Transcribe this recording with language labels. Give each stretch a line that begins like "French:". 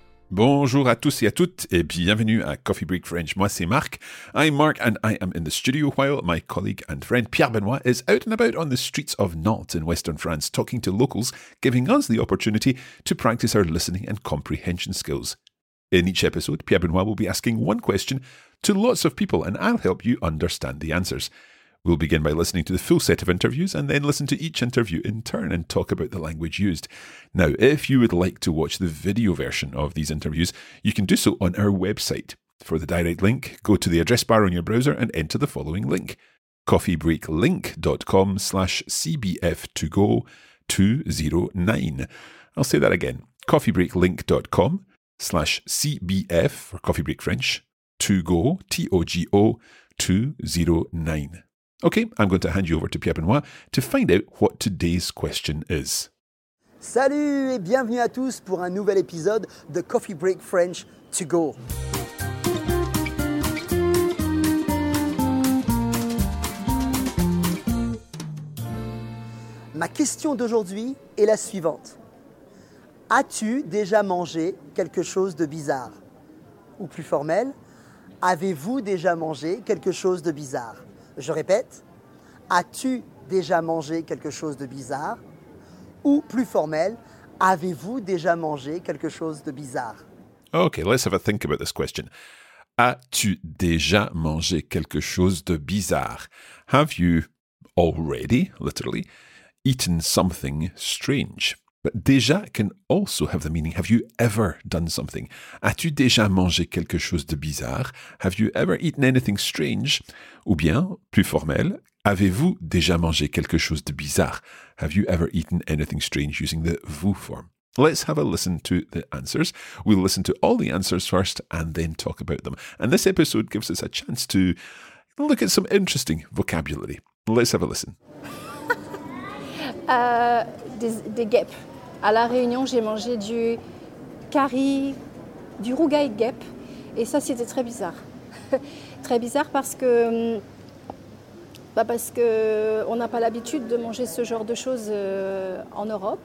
French: Bonjour à tous et à toutes, et bienvenue à Coffee Break French. Moi, c'est Marc.
English: I'm Marc, and I am in the studio while my colleague and friend Pierre Benoit is out and about on the streets of Nantes in western France, talking to locals, giving us the opportunity to practice our listening and comprehension skills. In each episode, Pierre Benoit will be asking one question to lots of people, and I'll help you understand the answers. We'll begin by listening to the full set of interviews and then listen to each interview in turn and talk about the language used. Now, if you would like to watch the video version of these interviews, you can do so on our website. For the direct link, go to the address bar on your browser and enter the following link, coffeebreaklink.com/CBF2Go209. I'll say that again, coffeebreaklink.com/CBF, for Coffee Break French, 2Go, T-O-G-O, 209. Okay, I'm going to hand you over to Pierre Benoit to find out what today's question is.
French: Salut et bienvenue à tous pour un nouvel épisode de Coffee Break French To Go. Ma question d'aujourd'hui est la suivante. As-tu déjà mangé quelque chose de bizarre? Ou plus formel, avez-vous déjà mangé quelque chose de bizarre? Je répète, as-tu déjà mangé quelque chose de bizarre? Ou plus formel, avez-vous déjà mangé quelque chose de bizarre?
English: Okay, let's have a think about this question.
French: As-tu déjà mangé quelque chose de bizarre?
English: Have you already, literally, eaten something strange? But déjà can also have the meaning, have you ever done something?
French: As-tu déjà mangé quelque chose de bizarre?
English: Have you ever eaten anything strange?
French: Ou bien, plus formel, avez-vous déjà mangé quelque chose de bizarre?
English: Have you ever eaten anything strange, using the vous form? Let's have a listen to the answers. We'll listen to all the answers first and then talk about them. And this episode gives us a chance to look at some interesting vocabulary. Let's have a listen.
French: Des guêpes. À La Réunion, j'ai mangé du curry, du rougail guêpe. Et ça, c'était très bizarre. Très bizarre parce que... Bah parce qu'on n'a pas l'habitude de manger ce genre de choses en Europe.